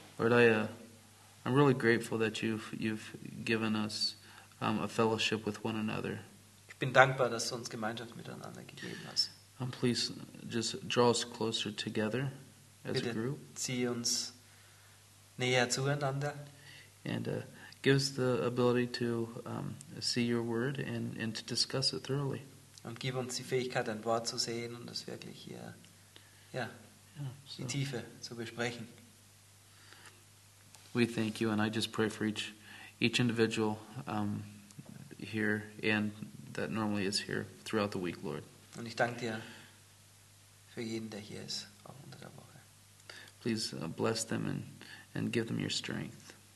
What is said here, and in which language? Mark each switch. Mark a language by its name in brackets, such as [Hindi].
[English] Lord, I'm really grateful that you've given us a fellowship with one another. [German] Ich bin dankbar, dass du uns Gemeinschaft miteinander gegeben hast. [English] And please just draw us closer together as [German] bitte [English] a group. [German] Zieh uns näher zueinander. [English] And give us the ability to see your word and to discuss it thoroughly. [German] Und gib uns die Fähigkeit, ein Wort zu sehen und es wirklich hier, ja, so, die Tiefe zu besprechen. [English] We thank you, and I just pray for each individual here and that normally is here throughout the week, Lord. [German] Und ich danke dir für jeden, der hier ist, auch unter der Woche. [English] Please bless them and give them your strength.